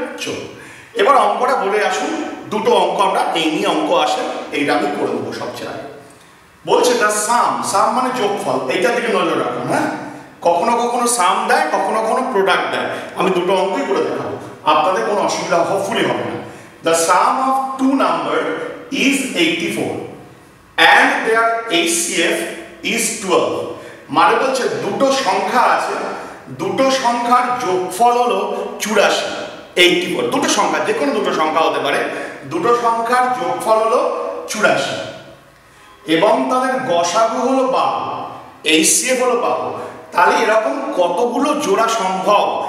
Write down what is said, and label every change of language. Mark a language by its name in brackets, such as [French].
[Bangla] চলো এবার অঙ্কটা বলে আসুন। দুটো অঙ্ক আমরা এমনি অঙ্ক আসে, এইটা আমি করে দেবো সবচেয়ে আগে। বলছে দা সাম, সাম মানে যোগফল, এইটা থেকে নজর রাখুন। হ্যাঁ, কখনো কখনো সাম দেয়, কখনো কখনো প্রোডাক্ট দেয়, আমি দুটো অঙ্কই করে দেখাবো, আপনাদের কোনো অসুবিধা হোপফুলি হবে না। [English] The sum of two numbers is 84 and their HCF is 12. [Bangla] মানে বলছে দুটো সংখ্যা আছে, দুটো সংখ্যার যোগফল হলো 84, 84, দুটো সংখ্যা, যে কোনো দুটো সংখ্যা হতে পারে, দুটো সংখ্যার যোগফল হলো 84 এবং তাদের গসাগু হলো 12, HCF হলো 12, তাহলে এরকম কতগুলো জোড়া সম্ভব?